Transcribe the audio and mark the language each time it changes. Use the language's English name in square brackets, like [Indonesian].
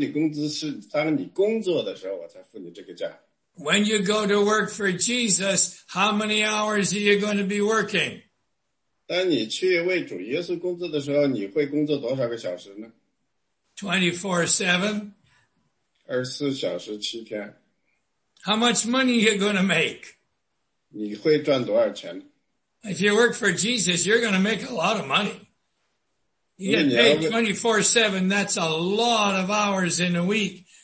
[Chinese] 因为他说我不会在你不工作的时候付你工资，我付你工资是当你工作的时候我才付你这个价。 [English] When you go to work for Jesus, how many hours are you going to be working? [Chinese] 当你去为主耶稣工作的时候，你会工作多少个小时呢？ [English] 24/7 [Chinese] 24小时7天。 [English] How much money are you going to make? [Chinese] 你会赚多少钱？ [English] If you work for Jesus, you're going to make a lot of money. You get paid 24/7, that's a lot of hours in a week.